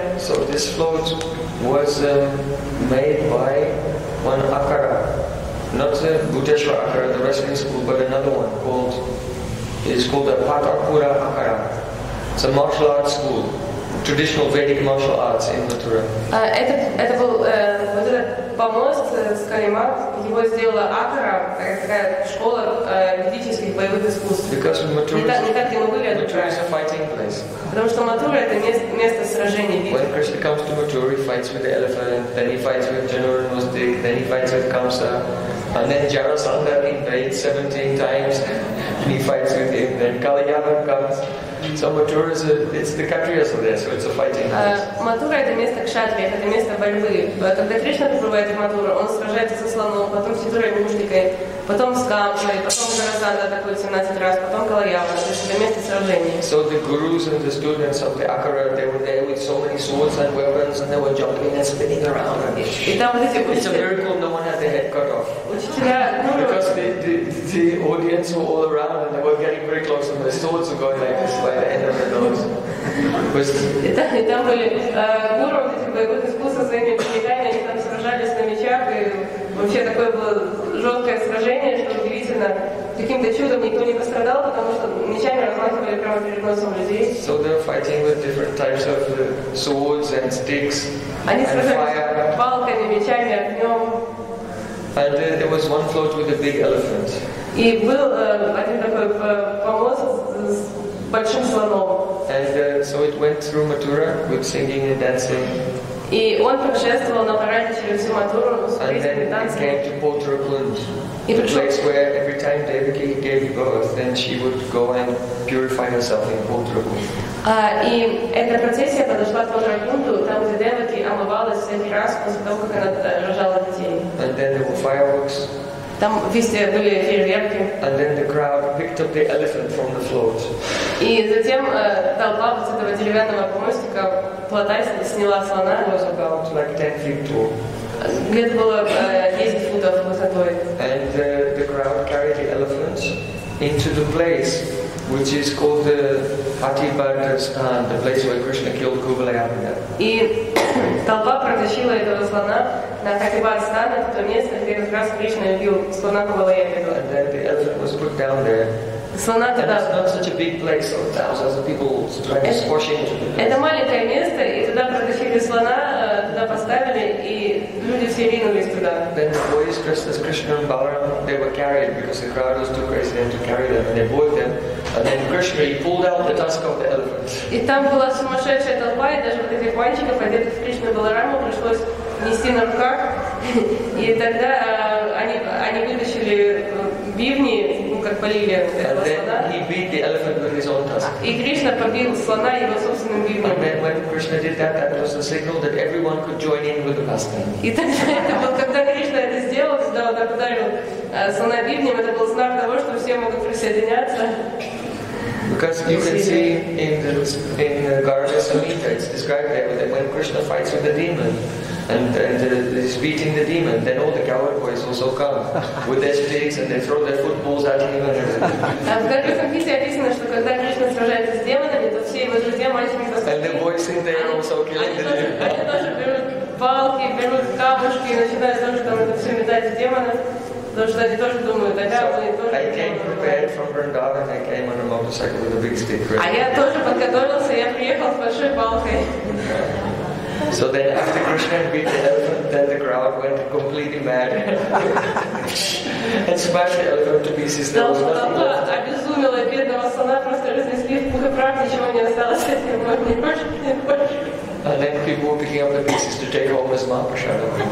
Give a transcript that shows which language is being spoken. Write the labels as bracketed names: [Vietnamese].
[English] So this float was made by one Akara, not the Bhuteshwar Akara, the wrestling school, but another one called, it's called the Patapura Akara. It's a martial arts school, traditional Vedic martial arts in Mathura. [Russian] Это был вот этот помост с Калима, его сделала Акара, такая школа ведических боевых искусств. [English] Because in Mathura is a fighting place. [Russian] Потому что Матура это место сражений. [English] When Krishna comes to Mathura, he fights with the elephant, then he fights with General Mustik, then he fights with Kamsa, and then Jarasandha invades 17 times, and he fights with him, then Kaliyavan comes. So Mathura it's the Kshatriyas of there, so it's a fighting place. [Russian] Матура это место кшатрия, это место борьбы. Когда Кришна прибывает в Матуру, он сражается со слоном, потом с Сидурой и Муштикой, потом с Камшой, потом Джарасандра такой 17 раз, потом Калаяма. То есть это место сражений. [English] So the gurus and the students of the Akara, they were there with so many swords and weapons, and they were jumping and spinning around. It's a miracle no one had their head cut off. Because the audience were all around, and they were getting very close, and the swords were going like this by the end of the nose. [Russian] И там были гуру, эти боевые искусства, за ними прилетали, они там сражались на мечах, и вообще такое было жесткое сражение, что удивительно, каким-то чудом никто не пострадал, потому что мечами размахивали прямо перед носом людей. [English] So they're fighting with different types of swords and sticks and fire. [Russian] Они сражались палками, мечами, огнем. [English] And there was one float with a big elephant. [Russian] И был один такой помост с большим слоном. [English] And so it went through Mathura with singing and dancing. [Russian] И он путешествовал на параде через всю Матуру с песнями и танцами. [English] And then he came to Potrakund, the place where every time Devaki gave birth, then she would go and purify herself in Potrakund. [Russian] И эта процессия подошла к Потракунду, там где Деваки омывалась всякий раз после того, как она рожала детей. [English] And then there were fireworks. [Russian] Там везде были фейерверки. [English] And then the crowd picked up the elephant from the float. [Russian] И затем толпа вот этого деревянного помостика плота сняла слона. [English] It was about like 10 feet tall. [Russian] Где-то было 10 футов высотой. [English] And the crowd carried the elephant into the place, which is called the Hathibadra Stan, the place where Krishna killed Kubalaya. [Russian] И толпа протащила этого слона на Hathibadra Stan, это то место, где как раз Кришна убил слона Кубалаяна. [English] And then the elephant was put down there. [Russian] Слона туда. [English] And it's not such a big place, so thousands of people trying to squash into the place. [Russian] Это маленькое место, и туда протащили слона, туда поставили, и люди все ринулись туда. [English] Then the boys dressed as Krishna and Balaram, they were carried, because the crowd was too crazy to carry them, and they bought them. And then Krishna, he pulled out the tusk of the elephant. [Russian] И там была сумасшедшая толпа, и даже вот этих мальчиков, одетых в Кришну Балараму, пришлось нести на руках. И тогда они вытащили бивни, ну как полили этого слона. [English] And then he beat the elephant with his own tusk. [Russian] И Кришна побил слона его собственным бивнем. [English] And then when Krishna did that, that was a signal that everyone could join in with the pastime. [Russian] И тогда это было, когда Кришна это сделал, когда он ударил слона бивнем, это был знак того, что все могут присоединяться. [English] Because you can see in the Garga Samhita, it's described there that when Krishna fights with the demon and he's beating the demon, then all the coward boys also come with their sticks and they throw their footballs at him. And the boys in there also killing the demon. [Russian] Палки, берут камушки и начинают тоже там это все метать в демона. Потому что они тоже думают, да, мы тоже. [English] I came prepared from Vrindavan. I came on a motorcycle with a big stick. [Russian] А я тоже подготовился, я приехал с большой палкой. [English] So then after Krishna beat the elephant, then the crowd went completely mad. And smashed the elephant to pieces. There was nothing left. [Russian] Обезумела бедного сана, просто разнесли в пух и прах, ничего не осталось от него. Не хочешь, не хочешь. [English] And then people were picking up the pieces to take home as Mahaprasada.